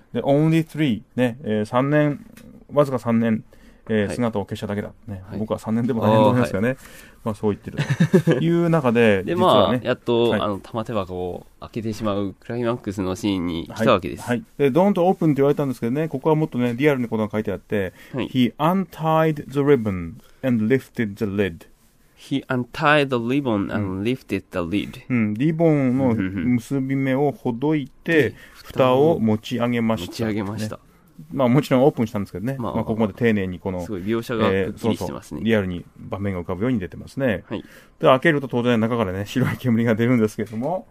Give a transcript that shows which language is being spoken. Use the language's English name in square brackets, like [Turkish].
[Japanese] で、 [English] only three.、 [Japanese] ね、3年、わずか3年、姿を消しただけだ。ね、はい、僕は3年でも大変と思いますよね。まあ、そう言ってるという中で、で、まあ、ね、やっと、はい、あの玉手箱を開けてしまうクライマックスのシーンに来たわけです。はい、はい、で、ドンとオープンって言われたんですけどね、ここはもっとね、リアルなことが書いてあって、はい、 [English] He untied the ribbon and lifted the lid. He untied the ribbon and lifted the lid. [Japanese] うん、リボンの結び目をほどいて、蓋を持ち上げました。持ち上げました。ね、まあ、もちろんオープンしたんですけどね、まあまあ、ここまで丁寧にこの、すごい描写がくっきりしてますね。リアルに場面が浮かぶように出てますね。はい、で開けると当然中からね、白い煙が出るんですけども、